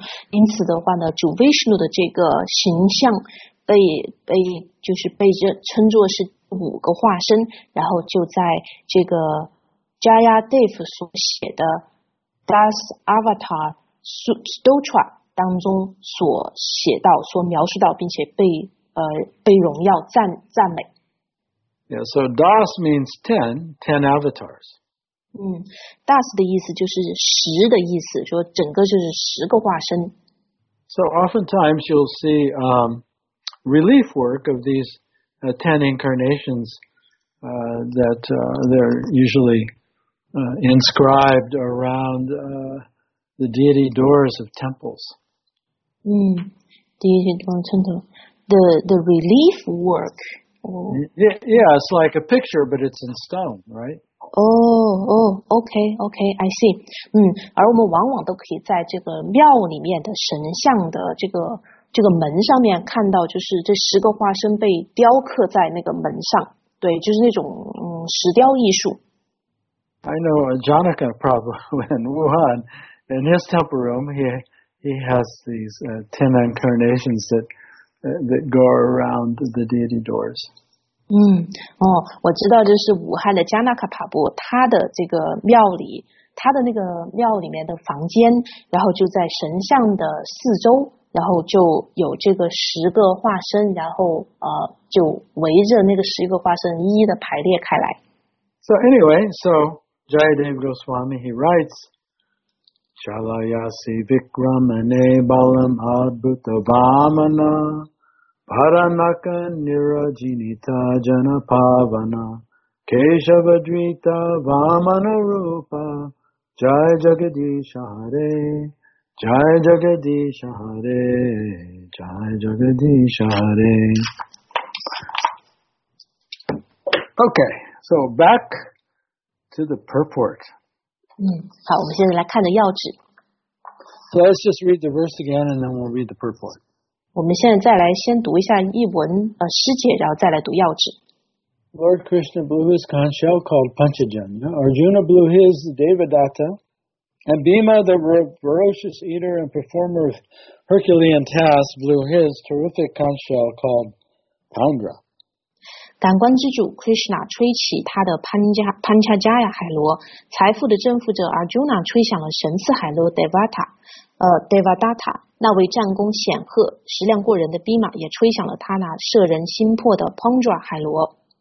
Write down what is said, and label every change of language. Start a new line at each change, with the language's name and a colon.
Chinese: 因此的话呢，主 Vishnu 的这个形象被称作是五个化身，然后就在这个 Jayadev 所写的 Das Avatar Stotra 当中所写到、所描述到，并且被荣耀赞美。
English: Yeah, so Das means ten avatars.
Chinese: Das 的意思就是十的意思，说整个就是十个化身。
English: So oftentimes you'll see relief work of these ten incarnations that they're usually inscribed around the deity doors of temples. The relief work. Yeah, it's like a picture, but it's in stone, right? Okay, I see.
Chinese: 而我们往往都可以在这个庙里面的神像的这个门上面看到，就是这十个化身被雕刻在那个门上。对，就是那种石雕艺术。
English: I know Janaka probably in Wuhan, in his temple room, he has these ten incarnations that go around the deity doors.
Chinese: 我知道这是武汉的加纳卡帕布，他的这个庙里，他的那个庙里面的房间，然后就在神像的四周，然后就有这个十个化身，然后就围着那个十个化身一一的排列开来。
English: So anyway, so Jayadev Goswami, he writes,
Sanskrit: Chalayasi Vikramane Balam Adbhuta Vamana. Paranaka Nirajinita Janapavana Keshava Drita Vamana Rupa Jai Jagadisha Hare Jai Jagadisha Hare Jai Jagadisha Hare.
English: Okay, so back to the purport.
Chinese: 好，我们现在来看的要旨。
English: So let's just read the verse again and then we'll read the purport.
Chinese: 我们现在再来先读一下译文师姐，然后再来读要旨。
English: Lord Krishna blew his conch shell called Panchajanya. Arjuna blew his Devadatta. And Bhima, the ferocious eater and performer of Herculean tasks, blew his terrific conch shell called Pandra.
Chinese: 感官之主 Krishna 吹起他的 Panchajaya 海螺，财富的征服者 Arjuna 吹响了神赐海螺 Devadatta。那位战功显赫、食量过人的兵马也吹响了他那摄人心魄的 Pandra 海螺。